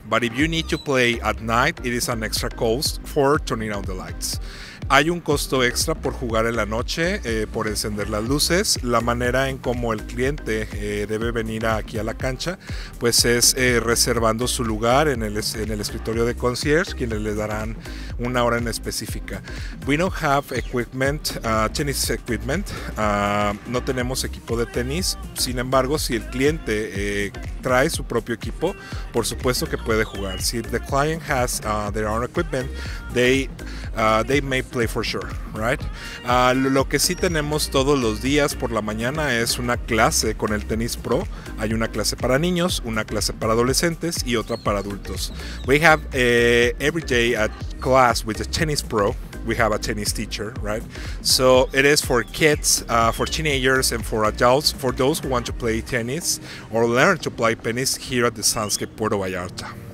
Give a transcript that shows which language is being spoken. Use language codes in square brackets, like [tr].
[en] But if you need to play at night, it is an extra cost for turning on the lights. [es] Hay un costo extra por jugar en la noche, por encender las luces. La manera en cómo el cliente debe venir aquí a la cancha, pues es reservando su lugar en el escritorio de concierge, quienes le darán una hora en específica. [en] We don't have equipment, tennis equipment. [es] No tenemos equipo de tenis. Sin embargo, si el cliente trae su propio equipo, por supuesto que puede jugar. [en] Si the client has their own equipment, they may play for sure, right? [es] Lo que sí tenemos todos los días por la mañana es una clase con el tenis pro. Hay una clase para niños, una clase para adolescentes y otra para adultos. [en] We have every day a class with a tennis pro. We have a tennis teacher, right? So it is for kids, for teenagers and for adults, for those who want to play tennis or learn to play tennis here at the Sonske Puerto Vallarta.